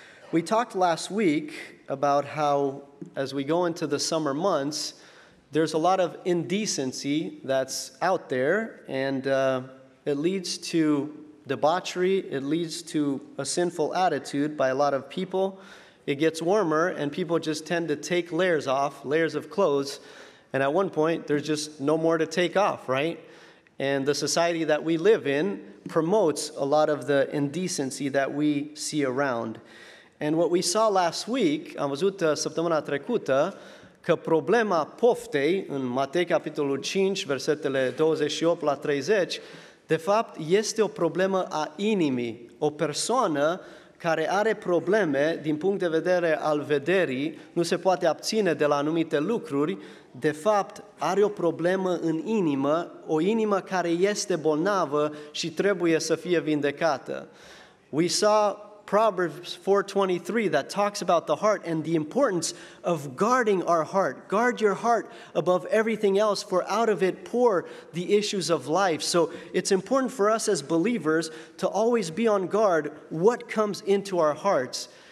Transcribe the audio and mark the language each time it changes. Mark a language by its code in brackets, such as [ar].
[en] We talked last week about how as we go into the summer months, there's a lot of indecency that's out there, and it leads to debauchery, it leads to a sinful attitude by a lot of people. It gets warmer and people just tend to take layers off, layers of clothes, and at one point there's just no more to take off, right? And the society that we live in promotes a lot of the indecency that we see around. And what we saw last week, [ro] am văzut săptămâna trecută, că problema poftei, în Matei capitolul 5, versetele 28 la 30, de fapt este o problemă a inimii. O persoană care are probleme din punct de vedere al vederii, nu se poate abține de la anumite lucruri, de fapt, are o problemă în inimă, o inimă care este bolnavă și trebuie să fie vindecată. [en] We saw Proverbs 4:23 that talks about the heart and the importance of guarding our heart. Guard your heart above everything else, for out of it pour the issues of life. So it's important for us as believers to always be on guard what comes into our hearts.